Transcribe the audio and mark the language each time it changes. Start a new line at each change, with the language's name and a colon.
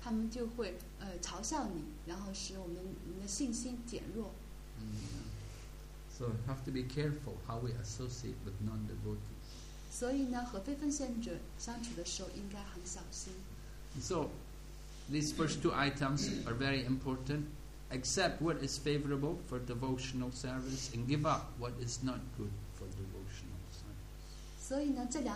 Chinese: 他们知道你信仰这个，他们就会嘲笑你， 然后使我们的信心减弱。
English: So we have to be careful how we associate with non-devotees.
Chinese: 所以呢，和非分现者相处的时候应该很小心。
English: So these first two items are very important. Accept what is favorable for devotional service and give up what is not good for devotional service.